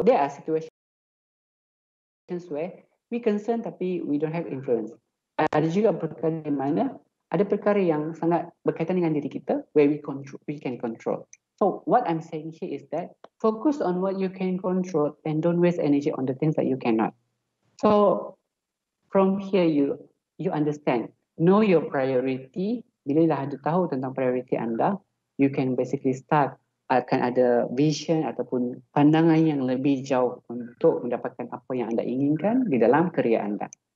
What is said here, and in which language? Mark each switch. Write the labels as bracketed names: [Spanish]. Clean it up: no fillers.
[English] There are situations where we concern [Malay] tapi [English] we don't have influence. [Malay] Ada juga perkara di mana ada perkara yang sangat berkaitan dengan diri kita [English] where we can control. So what I'm saying here is that focus on what you can control and don't waste energy on the things that you cannot. So from here you understand. Know your priority. [Malay] Bila dah ada tahu tentang priority anda, [English] you can basically start [Malay] akan ada vision ataupun pandangan yang lebih jauh untuk mendapatkan apa yang anda inginkan di dalam kerjaya anda.